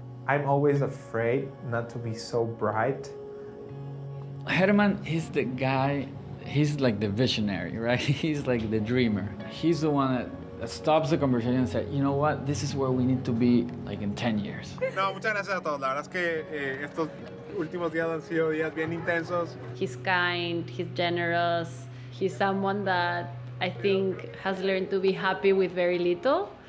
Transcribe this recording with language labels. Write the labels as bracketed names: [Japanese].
[English] I'm always afraid not to be so bright. Herman is the guy, he's like the visionary, right? He's like the dreamer. He's the one that stops the conversation and says, you know what, this is where we need to be, like, in 10 years. [Spanish] No, muchas gracias a todos. La verdad es que estos últimos días han sido días bien intensos. [English] He's kind, he's generous, he's someone that I think has learned to be happy with very little.